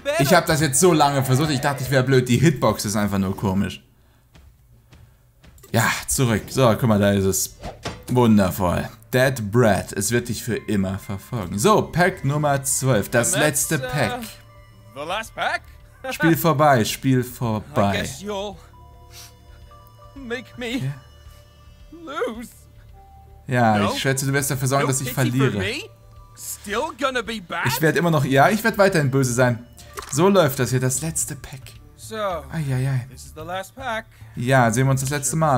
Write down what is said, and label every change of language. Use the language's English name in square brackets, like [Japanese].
[German] Ich habe das jetzt so lange versucht, ich dachte, ich wäre blöd. Die Hitbox ist einfach nur komisch. Ja, zurück. So, guck mal, da ist es. Wundervoll. Dead Brad, es wird dich für immer verfolgen. So, Pack Nummer 12, das letzte Pack. [English] The last pack? [German] Spiel vorbei. [English] I guess you'll make me lose. [German] Ja, no? Ich schätze, du wirst dafür sorgen, dass ich verliere. [English] Still gonna be bad? [German] Ich werde weiterhin böse sein. So läuft das hier, das letzte Pack. So, [English] this is the last pack. [German] Ja, sehen wir uns das letzte Mal,